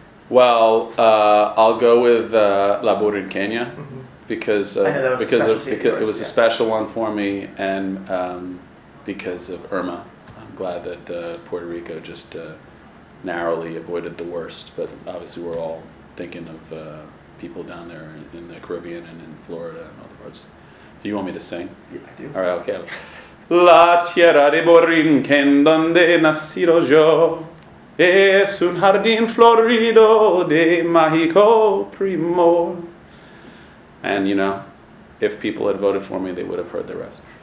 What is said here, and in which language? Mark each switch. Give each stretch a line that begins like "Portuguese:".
English: Well, I'll go with La Burra en Kenya, because it was a special one for me, and because of Irma. I'm glad that Puerto Rico just narrowly avoided the worst, but obviously we're all thinking of people down there in the Caribbean and in Florida and other parts. Do you want me to sing? Yeah, I do. All right, okay.
Spanish: La tierra de Borinquen, donde nacido yo, es un jardín florido de mágico primor.
English: And, you know, if people had voted for me, they would have heard the rest.